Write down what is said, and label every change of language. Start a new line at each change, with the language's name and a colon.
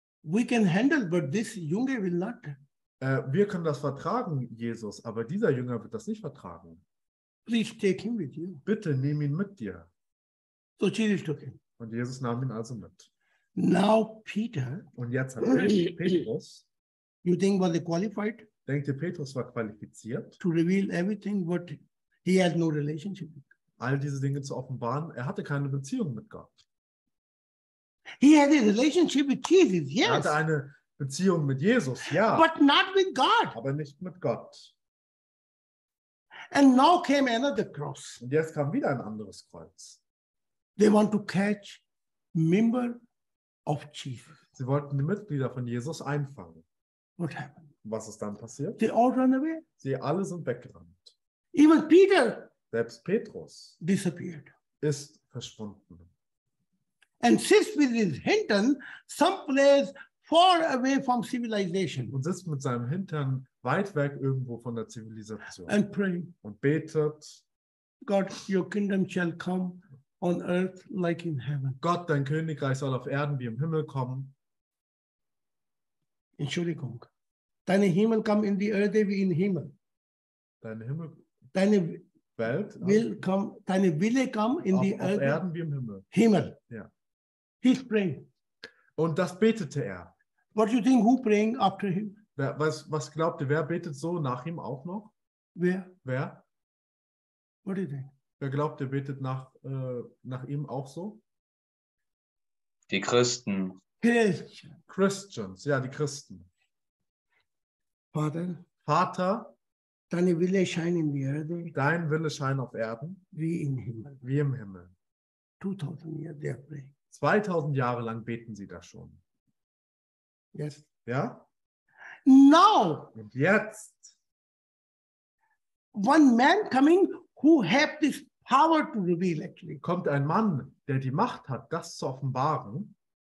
English: we can handle, but this Junge will not.
German: Wir können das vertragen, Jesus, aber dieser Jünger wird das nicht vertragen.
English: Please take him with you.
German: Bitte nimm ihn mit dir.
English: So Jesus took him.
German: Und Jesus nahm ihn also mit.
English: Now Peter.
German: Und jetzt hat Petrus.
English: You think was he qualified?
German: Denkt ihr, Petrus war qualifiziert?
English: To reveal everything, but he has no relationship.
German: All diese Dinge zu offenbaren. Er hatte keine Beziehung mit Gott.
English: He had a relationship with Jesus, yes.
German: Er hatte eine Beziehung mit Jesus, ja.
English: But not with God.
German: Aber nicht mit Gott.
English: And now came another cross.
German: Und jetzt kam wieder ein anderes Kreuz.
English: They want to catch member of Jesus.
German: Sie wollten die Mitglieder von Jesus einfangen.
English: What happened?
German: was ist dann passiert?
English: They all run away.
German: Sie alle sind weggerannt.
English: Even Peter.
German: Selbst Petrus.
English: Disappeared.
German: Ist verschwunden.
English: And sits with his Hintern someplace far away from civilization.
German: Und sitzt mit seinem Hintern weit weg irgendwo von der Zivilisation.
English: And pray.
German: Und betet.
English: God, your kingdom shall come on earth like in heaven.
German: Gott, dein Königreich soll auf Erden wie im Himmel kommen. Entschuldigung. Deine Himmel
English: come in the earth
German: wie in Himmel. Deine Himmel. Deine Welt.
English: Will come,
German: deine Wille
English: come in
German: auf,
English: the earth.
German: Auf Erden wie im Himmel. Himmel. Ja.
English: He's praying.
German: Und das betete er.
English: What do you think, who praying after him?
German: Wer, was glaubt ihr, wer betet so nach ihm auch noch? Wer? Wer?
English: What do you think?
German: Wer glaubt, der betet nach ihm auch so? Die Christen. Christians, ja, die Christen. Vater. Vater. Deine Wille scheint in die Erde. Dein Wille scheint auf Erden. Wie im Himmel. Wie im Himmel.
English: 2000
German: Jahre,
English: they pray.
German: 2000 Jahre lang beten sie da schon.
English: Yes.
German: Ja?
English: Now.
German: Und jetzt.
English: One man coming who have this power to reveal actually.
German: Kommt ein Mann, der die Macht hat, das zu offenbaren.